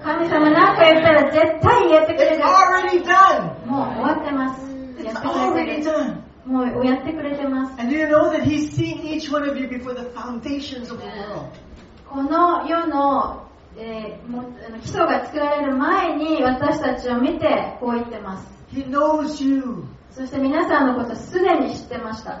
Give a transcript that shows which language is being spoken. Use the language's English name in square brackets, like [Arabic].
[Japanese] 神様なんか言ったら絶対やってくれる。 [English] It's already done. [Japanese] もう終わってます。 [English] It's already done. And you know that He's seen each one of you before the foundations of the world. [Japanese] この世の基礎が作られる前に私たちを見てこう言ってます。 [English] He knows you. [Japanese] そして皆さんのことすでに知ってました。